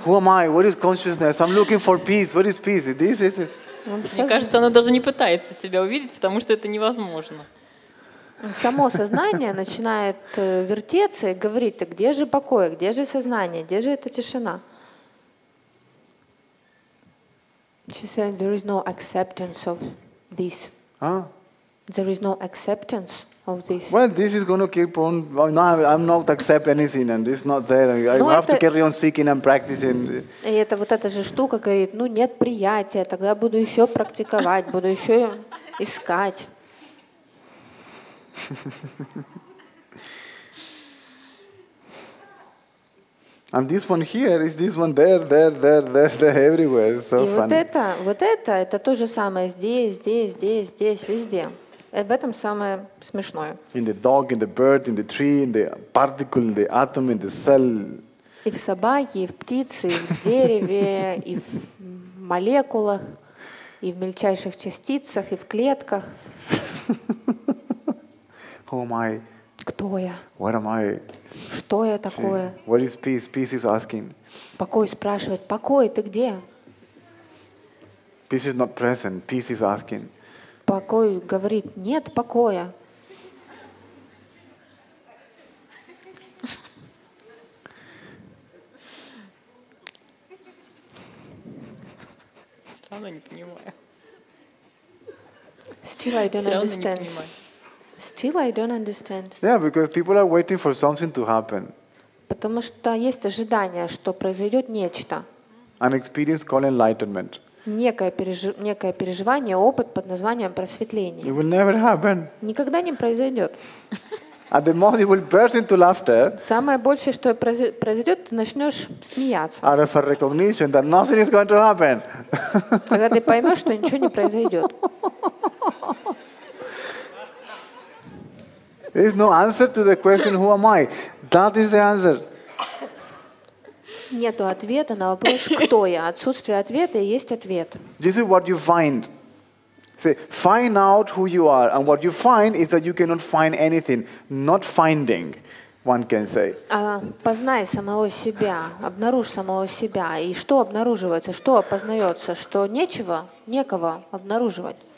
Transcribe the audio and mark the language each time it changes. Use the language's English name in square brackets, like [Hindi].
[English] Who am I? What is consciousness? I'm looking for peace. What is peace? This is it. [Russian] Мне кажется, оно даже не пытается себя увидеть, потому что это невозможно. Само сознание начинает вертеться и говорить, а где же покой, где же сознание, где же эта тишина? [English] She said there is no acceptance of this. There is no acceptance of this. Well, this is going to keep on. No, I'm not accept anything, and it's not there. I have to carry on seeking and practicing. [Russian] И это вот эта же штука говорит, ну нет приятия, тогда буду еще практиковать, буду еще искать. [English] And this one here is this one there, there, there, there, there everywhere. So funny. [Russian] И вот это то же самое здесь, здесь, здесь, здесь, везде. В этом самое смешное. [English] In the dog, in the bird, in the tree, in the particle, in the atom, in the cell. [Russian] И в собаке, и в птице, и в дереве, и в молекулах, и в мельчайших частицах, и в клетках. [English] Who am I? [Russian] Кто я? [English] What am I? [Russian] Что я такое? [English] What is peace? Peace is asking. [Russian] Покой спрашивает. Покой, ты где? [English] Peace is not present. Peace is asking. [Russian] Покой говорит. Нет покоя. равно не понимаю. [English] Still I don't understand. Still I don't understand. Yeah, because people are waiting for something to happen. [Russian] Потому что есть ожидание, что произойдет нечто. [English] An experience called enlightenment. [Russian] Некое переживание, опыт под названием просветление. [English] It will never happen. [Russian] Никогда не произойдет. [English] At the most, you will burst into laughter. [Russian] Самое большее, что произойдет, ты начнешь смеяться. [English] Out of a recognition that nothing is going to happen. [Russian] Когда ты поймешь, что ничего не произойдет. [English] There is no answer to the question, who am I? That is the answer. [Russian] Нету ответа на вопрос, кто я. Отсутствие ответа и есть ответ. [English] This is what you find. Say, find out who you are, and what you find is that you cannot find anything. Not finding, one can say. [Russian] Познай самого себя, обнаружь самого себя. И что обнаруживается, что опознается, что нечего, некого обнаруживать.